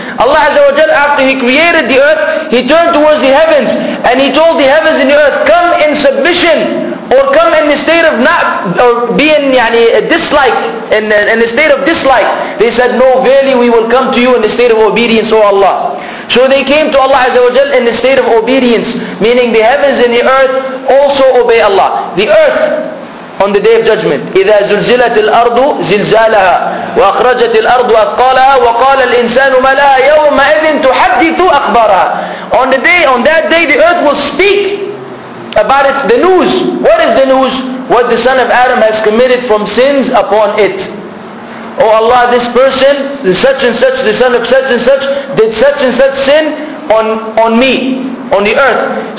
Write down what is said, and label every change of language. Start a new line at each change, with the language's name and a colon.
English: Allah Azza wa Jal, after He created the earth, He turned towards the heavens and He told the heavens and the earth, come in submission or come in the state of not or being يعني, dislike, in the state of dislike. They said, no, verily we will come to you in the state of obedience, O Allah. So they came to Allah Azza wa Jal in the state of obedience, meaning the heavens and the earth also obey Allah. The earth on the day of judgment,
Arabic: إِذَا زُلْزِلَتِ الْأَرْضُ زِلْزَالَهَا وَأَخْرَجَتِ الْأَرْضُ أَثْقَالَهَا وَقَالَ الْإِنسَانُ مَا لَهَا يَوْمَئِذٍ تُحَدِّثُ أَخْبَارَهَا.
English: On that day the earth will speak about it, the news. What is the news? What the son of Adam has committed from sins upon it. Oh Allah, this person, such and such, the son of such and such sin on me, on the earth.